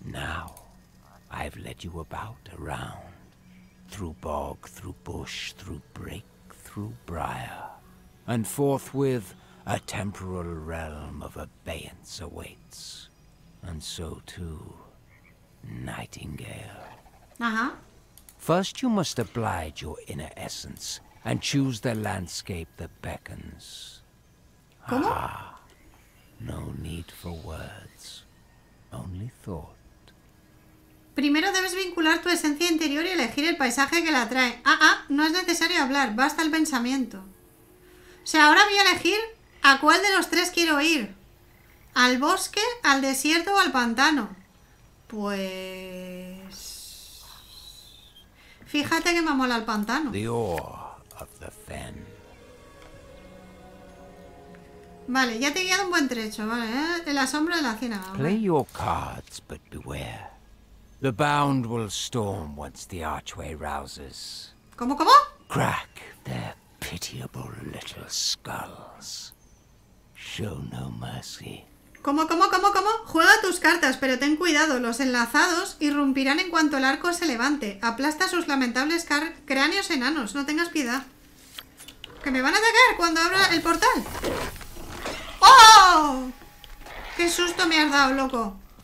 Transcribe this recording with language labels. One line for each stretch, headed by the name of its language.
English: Now, I've led you about, around, through bog, through bush, through brake, through briar, and forthwith a temporal realm of abeyance awaits, and so too, Nightingale. Uh-huh. First, you must oblige your inner essence. And choose the landscape that beckons.
Spanish: ¿Cómo?
English: Ah, no need for words, only thought.
Spanish: Primero debes vincular tu esencia interior y elegir el paisaje que la atrae. Ah, ah, no es necesario hablar, basta el pensamiento. O sea, ahora voy a elegir a cuál de los tres quiero ir. ¿Al bosque, al desierto o al pantano? Pues... Fíjate que me mola el pantano. Dios.
English: The fen.
Spanish: Vale, ya te he guiado un buen trecho, vale, ¿eh? El asombro de la cena. ¿Vale?
English: Play your cards, but beware. The bound will storm once the archway rouses.
Spanish: ¿Cómo, cómo?
English: Crack their pitiable little skulls. Show no mercy.
Spanish: ¿Cómo? Juega tus cartas, pero ten cuidado, los enlazados irrumpirán en cuanto el arco se levante. Aplasta sus lamentables cráneos enanos, no tengas piedad. ¡Que me van a atacar cuando abra el portal! ¡Oh! ¡Qué susto me has dado, loco!